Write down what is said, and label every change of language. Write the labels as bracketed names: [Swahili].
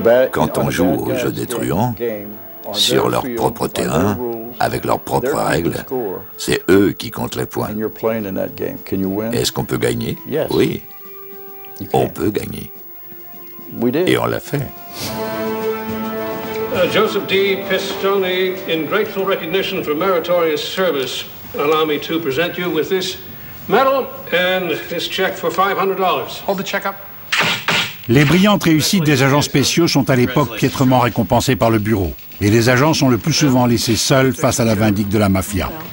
[French] Quand on joue au jeu des truands, sur leur propre terrain, avec leurs propres règles, c'est eux qui comptent les points. Est-ce qu'on peut gagner? Oui, on peut gagner. Et on l'a fait. [English] Joseph D. Pistone, in grateful recognition for meritorious service, allow me to present you with this medal and this check for $500. Hold the check up. [French] Les brillantes réussites des agents spéciaux sont à l'époque piètrement récompensées par le bureau, et les agents sont le plus souvent laissés seuls face à la vindicte de la mafia.